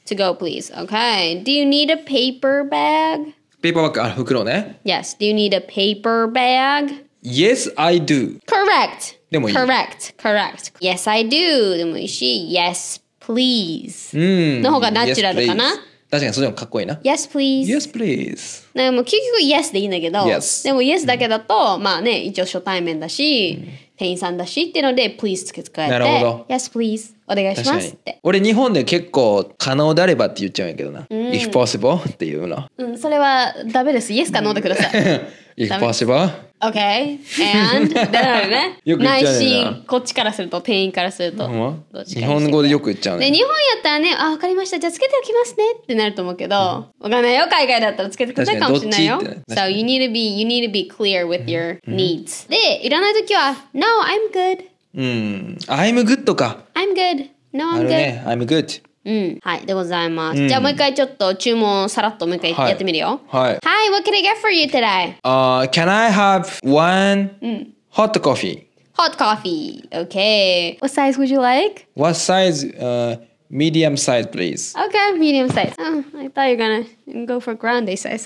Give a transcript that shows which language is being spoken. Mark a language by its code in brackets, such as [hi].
[en] To go please OK Do you need a paper bag [ja] ペーパーバッグ、あ、袋ね。 [en] Yes. Do you need a paper bag? Yes, I do. Correct. [ja] でもいい。 [en] Correct. Correct. Yes, I do. [ja] でもいいし、 [en] Yes, please. [ja] の方がナチュラルかな。 Yes, 確かに、それでもかっこいいな。 [en] Yes, please. Yes, please. [ja] なんかもう結局 Yes でいいんだけど。 [en] Yes. [ja] でも Yes だけだと、まあね、一応初対面だし、店員さんだしっていうので、Please つけて。なるほど。 [en] Yes, please. [ja] お願いしますって俺日本で結構可能であればって言っちゃうんやけどな、 [en] If possible [ja] っていうの、それはダメです Yes か No でください [en] If possible OK And [ja] だからね、よく言っちゃうんやな、こっちからすると店員からすると、日本語でよく言っちゃうね、で日本やったらね、あ、わかりましたじゃあつけておきますねってなると思うけど、わかんないよ海外だったらつけてくださいかもしれないよ、 [en] So you need to be clear with your needs、 [ja] でいらないときは [en] No I'm good I'm good とか I'm good. No, I'm good. I'm good. [ja] うん、はい、でございます、うん、じゃあもう一回ちょっと注文さらっともう一回やってみるよ。はい、はい、 [en] Hi, what can I get for you today? Can I have one hot coffee? Hot coffee, okay. What size would you like? What size? Medium size, please. Okay, medium size. Oh, I thought you were gonna go for grande size.